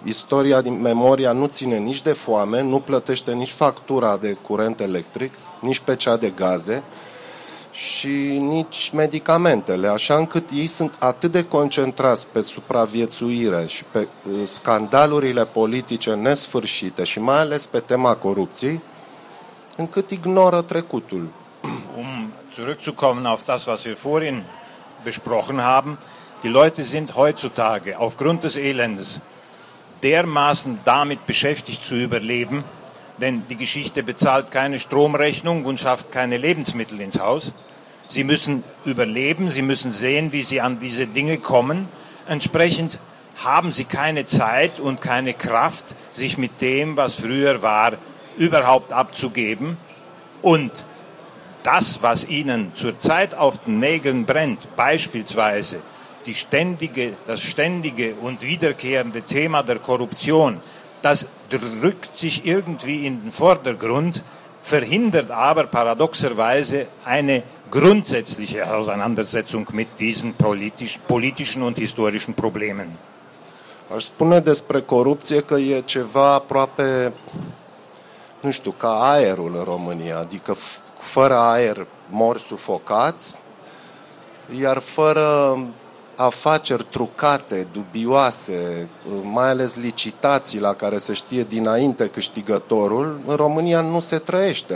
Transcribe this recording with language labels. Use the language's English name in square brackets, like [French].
[Romanian] Istoria din memoria nu ține nici de foame, nu plătește nici factura de curent electric, nici pe cea de gaze și nici medicamentele, așa încât ei sunt atât de concentrați pe supraviețuire și pe scandalurile politice nesfârșite și mai ales pe tema corupției, încât ignoră trecutul. [German] Zurückzukommen auf das, was wir vorhin besprochen haben, die Leute sind heutzutage aufgrund des Elends dermaßen damit beschäftigt zu überleben, denn die Geschichte bezahlt keine Stromrechnung und schafft keine Lebensmittel ins Haus. Sie müssen überleben, sie müssen sehen, wie sie an diese Dinge kommen. Entsprechend haben sie keine Zeit und keine Kraft, sich mit dem, was früher war, überhaupt abzugeben. Und das, was ihnen zurzeit auf den Nägeln brennt, beispielsweise das ständige und wiederkehrende Thema der Korruption, das drückt sich irgendwie in den Vordergrund, verhindert aber paradoxerweise eine grundsätzliche Auseinandersetzung mit diesen politischen und historischen Problemen. [Romanian] Aș spune despre corupție că e ceva aproape, nu știu, ca aerul în România, adică fără aer mor sufocat, iar fără afaceri trucate, dubioase, mai ales licitații la care se știe dinainte câștigătorul, în România nu se trăiește.